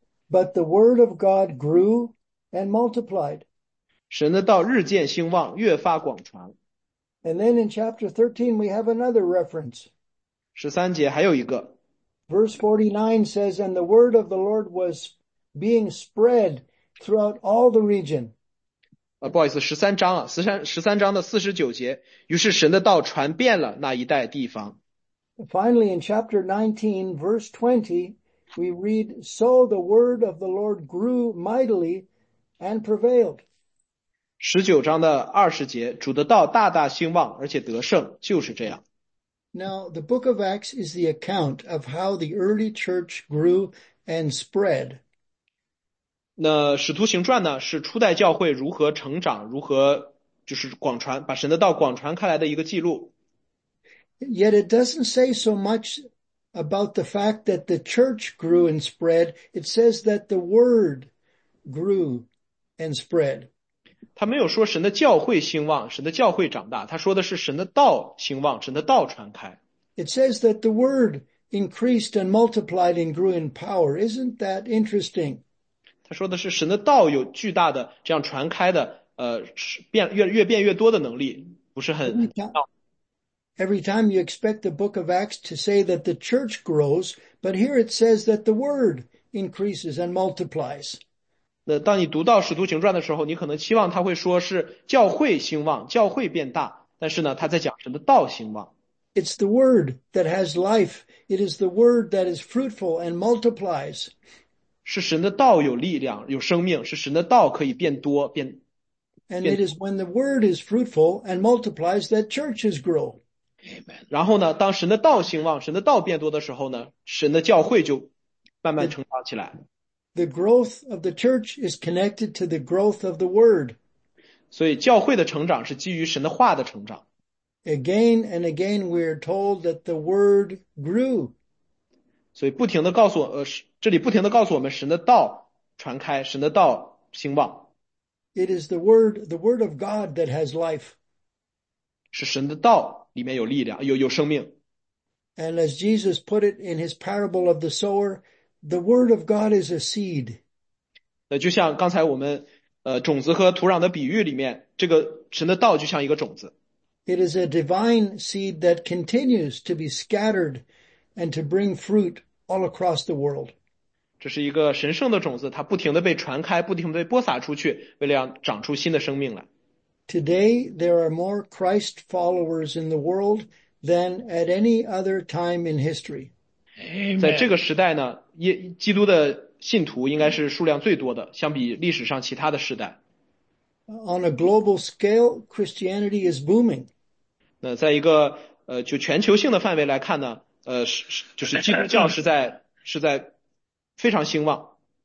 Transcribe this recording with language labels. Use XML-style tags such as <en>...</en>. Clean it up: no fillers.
<en>But the word of God grew and multiplied.</en> <zh>神的道日渐兴旺，越发广传。</zh> <en>And then in chapter 13, we have another reference.</en> <zh>13节还有一个。</zh> <en>Verse 49 says, And the word of the Lord was being spread throughout all the region.</en> <zh>不好意思，13章的49节，于是神的道传遍了那一带地方。</zh> <en>Finally, in chapter 19, verse 20, we read, So the word of the Lord grew mightily and prevailed.</en> <zh>19章的20节，主的道大大兴旺，而且得胜，就是这样。</zh> <en>Now, the book of Acts is the account of how the early church grew and spread.</en> <zh>那使徒行传呢，是初代教会如何成长，如何就是广传，把神的道广传开来的一个记录。</zh> <en>Yet it doesn't say so much about the fact that the church grew and spread. It says that the word grew and spread.</en> <zh>他没有说神的教会兴旺，神的教会长大，他说的是神的道兴旺，神的道传开。</zh> <en>It says that the word increased and multiplied and grew in power. Isn't that interesting?</en> <zh>他说的是神的道有巨大的这样传开的，越变越多的能力，不是很。</zh> <en>Every time you expect the book of Acts to say that the church grows, but here it says that the word increases and multiplies.</en> <zh>那当你读到使徒行传的时候，你可能期望他会说是教会兴旺，教会变大，但是呢，他在讲神的道兴旺。</zh> <en>It's the word that has life. It is the word that is fruitful and multiplies.</en> <zh>是神的道有力量，有生命，是神的道可以变多，变。</zh> <en>And it is when the word is fruitful and multiplies that churches grow. Amen.</en> <zh>然后呢，当神的道兴旺，神的道变多的时候呢，神的教会就慢慢成长起来。</zh> <en>The growth of the church is connected to the growth of the word.</en> <zh>所以教会的成长是基于神的话的成长。</zh> <en>Again and again we are told that the word grew.</en> <zh>所以不停地告诉这里不停地告诉我们神的道传开，神的道兴旺。</zh> <en>It is the word of God that has life.</en> <zh>是神的道里面有力量，有生命。</zh> <en>And as Jesus put it in his parable of the sower, the word of God is a seed.</en> <zh>那就像刚才我们种子和土壤的比喻里面，这个神的道就像一个种子。</zh> <en>It is a divine seed that continues to be scattered and to bring fruit all across the world.</en> <zh>这是一个神圣的种子，它不停地被传开，不停地被播撒出去，为了让长出新的生命来。</zh> <en>Today, there are more Christ followers in the world than at any other time in history. Amen.</en> <zh>在这个时代呢，基督的信徒应该是数量最多的，相比历史上其他的时代。</zh> <en>On a global scale, Christianity is booming.</en> <zh>那在一个就全球性的范围来看呢，就是基督教是在非常兴旺。</zh>